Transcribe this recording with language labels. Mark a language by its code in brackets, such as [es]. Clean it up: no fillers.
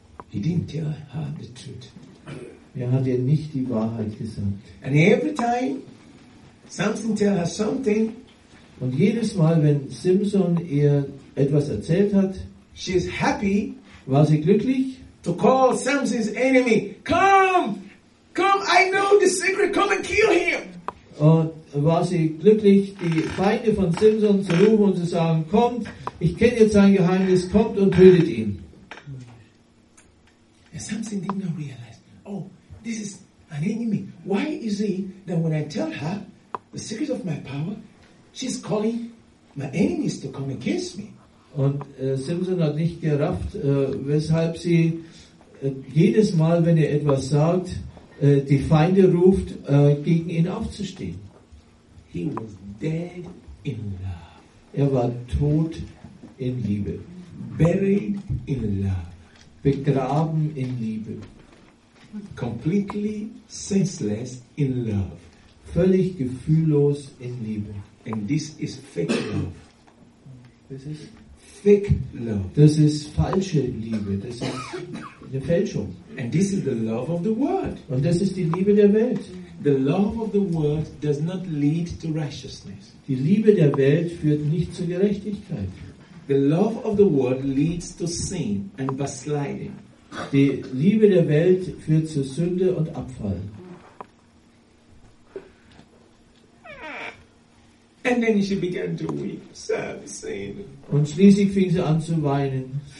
[en] He didn't tell her the truth. [de] Er hat ihr nicht die Wahrheit gesagt. [en] And every time Samson tell her something, [de] und jedes Mal, wenn Samson ihr etwas erzählt hat, [en] she is happy, [de] war sie glücklich, [en] to call Samson's enemy, come, I know the secret, come and kill him. [de] Und war sie glücklich, die Feinde von Samson zu rufen und zu sagen, kommt, ich kenne jetzt sein Geheimnis, kommt und tötet ihn. [en] And Samson did not realize, oh, this is an enemy. Why is it that when I tell her the secret of my power, she's calling my enemies to come against me? [de] Und Samson hat nicht gerafft, weshalb sie jedes Mal, wenn er etwas sagt, die Feinde ruft, gegen ihn aufzustehen. [en] He was dead in love. [de] Er war tot in Liebe. [en] Buried in love. [de] Begraben in Liebe. [en] Completely senseless in love. [de] Völlig gefühllos in Liebe. [en] And this is fake love. This is fake love. [de] Das ist falsche Liebe. Das ist eine Fälschung. [en] And this is the love of the world. [de] Und das ist die Liebe der Welt. [en] The love of the world does not lead to righteousness. [de] Die Liebe der Welt führt nicht zur Gerechtigkeit. [en] The love of the world leads to sin and backsliding. [de] Die Liebe der Welt führt zu Sünde und Abfall. [en] And then she began to weep, sad, sad. [de] Und schließlich fing sie an zu weinen.